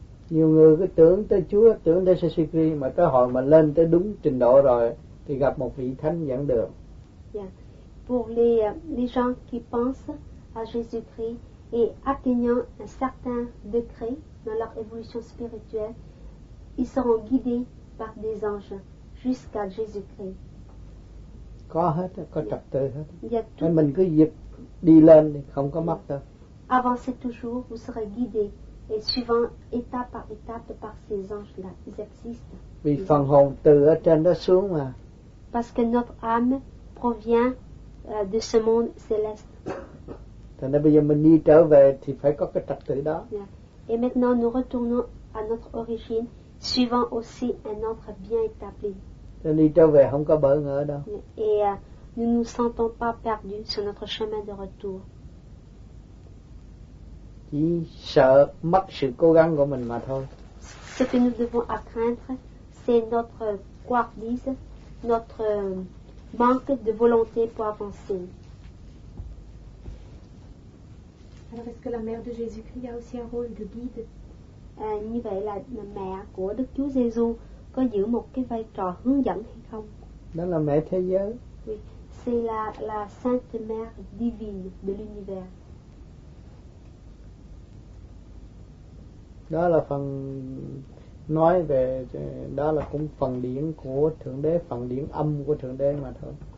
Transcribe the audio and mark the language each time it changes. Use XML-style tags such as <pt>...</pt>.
<vi>Nhiều người cứ tưởng tới Chúa, tưởng tới Sư-Sư-Kri, mà tới hồi mà lên tới đúng trình độ rồi thì gặp một vị thánh dẫn đường. Yeah.</vi> <fr>Pour les gens qui pensent à Jésus-Christ et atteignant un certain degré dans leur évolution spirituelle, ils seront guidés par des anges jusqu'à Jésus-Christ.</fr> <vi>Có hết, có trật tự hết. Nên mình cứ dịp đi lên thì không có mất đâu.</vi> <fr>Avancez toujours, vous serez guidé et suivant étape par étape par ces anges-là, ils existent.</fr> <vi>Vì phần hồn từ ở trên đó xuống mà.</vi> <fr>Parce que notre âme provient de ce monde céleste.</fr> <vi>Thế nên bây giờ mình đi trở về thì phải có cái trật tự đó.</vi> <fr>Et maintenant nous retournons à notre origine, suivant aussi un ordre bien établi.</fr> <vi>Nên đi trở về không có bỡ ngỡ đâu.</vi> <fr>Et nous ne nous sentons pas perdus sur notre chemin de retour.</fr> <vi>Chỉ sợ mất sự cố gắng của mình mà thôi.</vi> <fr>Ce que nous devons à craindre, c'est notre couardise, notre manque de volonté pour avancer. Alors est-ce que la mère de Jésus-Christ a aussi un rôle de guide?</fr> <vi>Như vậy là mẹ của Đức Chúa Giêsu có giữ một cái vai trò hướng dẫn hay không? Đó là mẹ thế giới.</vi> <fr>Oui, c'est la sainte mère divine de l'univers.</fr> <vi>Đó là phần nói về, đó là cũng phần điển của Thượng Đế, phần điển âm của Thượng Đế mà thôi.</vi>